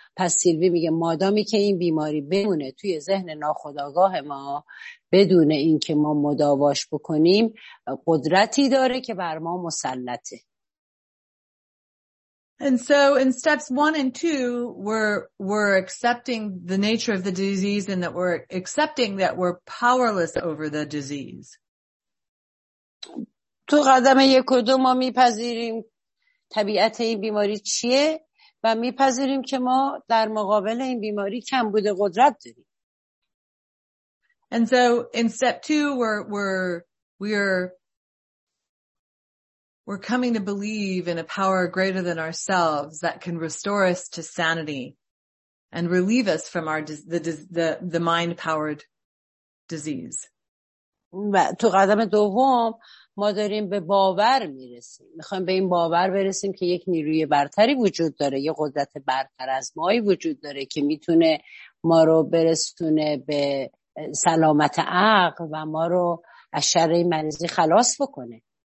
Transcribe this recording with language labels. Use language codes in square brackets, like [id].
[fa] پس سیلوی میگه مادامی که این بیماری بمونه توی ذهن ناخودآگاه ما بدون اینکه ما مداواش بکنیم، قدرتی داره که بر ما مسلطه. [en] And so in steps 1 and 2 we're accepting the nature of the disease and that we're accepting that we're powerless over the disease. [fa] تو قدم 1 و 2 ما میپذیریم طبیعت این بیماری چیه و میپذیریم که ما در مقابل این بیماری کم بوده قدرت داریم. [en] And so in step 2 we're coming to believe in a power greater than ourselves that can restore us to sanity and relieve us from the mind powered disease. [fa] و تو قدم دوم ما داریم به باور میرسیم، میخوایم به این باور برسیم که یک نیروی برتری وجود داره، یک قدرت برتر از مایی وجود داره که میتونه ما رو برسونه به سلامت عقل و ما رو از شر این مریضی خلاص بکنه.